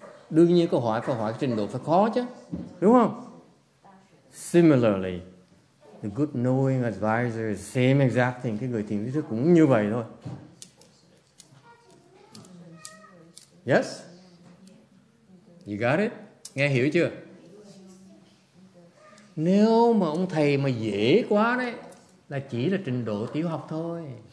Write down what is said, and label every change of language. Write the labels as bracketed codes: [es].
[vi] Đương nhiên câu hỏi trình độ phải khó chứ. Đúng không? [en] Similarly, the good knowing advisor is the same exact thing. [vi] Cái người tìm kiến thức cũng như vậy thôi. [en] Yes? You got it? [vi] Nghe hiểu chưa? Nếu mà ông thầy mà dễ quá đấy, là chỉ là trình độ tiểu học thôi.